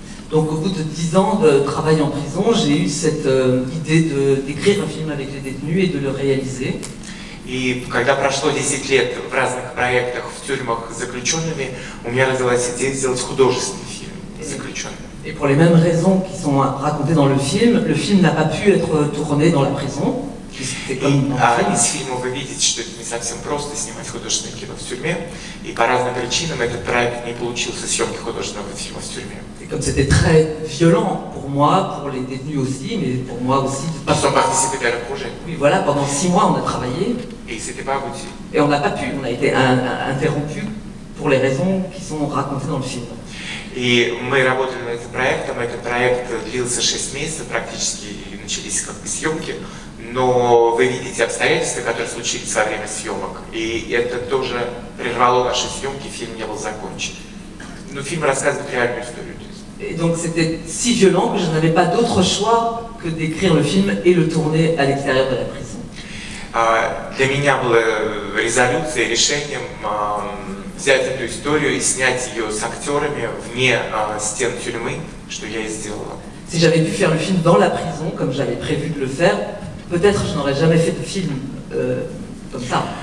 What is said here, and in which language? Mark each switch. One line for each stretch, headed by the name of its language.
French: Donc au bout de 10 ans de travail en prison, j'ai eu cette idée d'écrire un film avec les détenus et de le réaliser.
Russian: И когда прошло 10 лет в разных проектах в тюрьмах с заключенными, у меня родилась идея сделать художественный фильм с заключенными.
French: Et pour les mêmes raisons qui sont racontées dans le film n'a pas pu être tourné dans la prison.
Russian: Из фильма вы видите, что это не совсем просто снимать художественное кино в тюрьме. И по разным причинам этот проект не получился съемки художественного фильма в тюрьме. И как это было
French: violent pour moi, pour les détenus aussi, mais pour moi aussi. Parce qu'on participait à leur projet. Oui, voilà, pendant 6 mois on a travaillé. Et c'était pas abouti. Et on n'a pas pu, on a été interrompu pour les raisons qui sont racontées dans le film.
Russian: И мы работали над этот проект длился 6 месяцев, практически начались как бы съемки. Но вы видите обстоятельства, которые случились во время съемок. И это тоже прервало наши съемки, фильм не был закончен. Но фильм рассказывает реальную историю.
French: И donc c'était si violent que je n'avais pas d'autre choix que d'écrire le film et le tourner à l'extérieur de la prison.
Russian: Для меня было резолюцией, решением взять эту историю и снять ее с актерами вне стен тюрьмы, что я и сделала.
French: Si j'avais pu faire le film dans la prison, comme j'avais prévu de le faire, peut-être je n'aurais jamais fait de film comme ça.